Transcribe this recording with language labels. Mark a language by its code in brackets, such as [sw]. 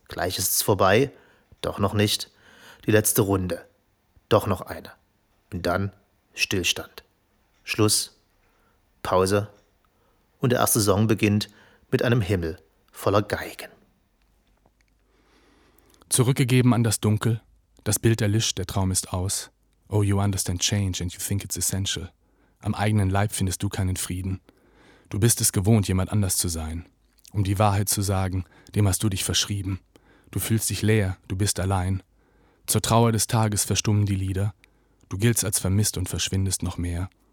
[de] Gleich ist es vorbei. Doch noch nicht. Die letzte Runde. Doch noch eine. Und dann Stillstand. Schluss. Pause. Und der erste Song beginnt mit einem Himmel voller Geigen. Zurückgegeben an das Dunkel. Das Bild erlischt, der Traum ist aus. [en] Oh, you understand change and you think it's essential. [de] Am eigenen Leib findest du keinen Frieden. Du bist es gewohnt, jemand anders zu sein. Um die Wahrheit zu sagen, dem hast du dich verschrieben. Du fühlst dich leer, du bist allein. Zur Trauer des Tages verstummen die Lieder. Du giltst als vermisst und verschwindest noch mehr.